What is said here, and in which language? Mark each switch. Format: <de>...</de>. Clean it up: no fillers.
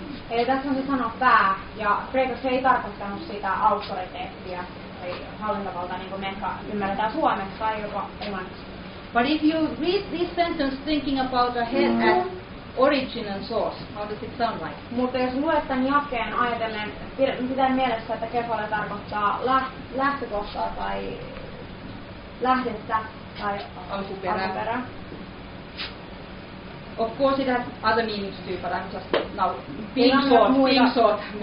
<fi>Eli tässä on se sana pää, ja kreikassa ei tarkoittanut sitä auktoriteettia tai hallintavalta, niin kuin me ehkä ymmärretään suomeksi tai jopa englanniksi.</fi> <en>But if you read this sentence thinking about the head as origin and source, how does it sound like?</en> <fi>Mutta jos luet tämän jakeen ajatellen, pitää mielessä, että kefale tarkoittaa lähtökohtaa tai lähdettä tai alkuperää.</fi> <en>Of course it has other meanings too, but I'm just now being short.</en>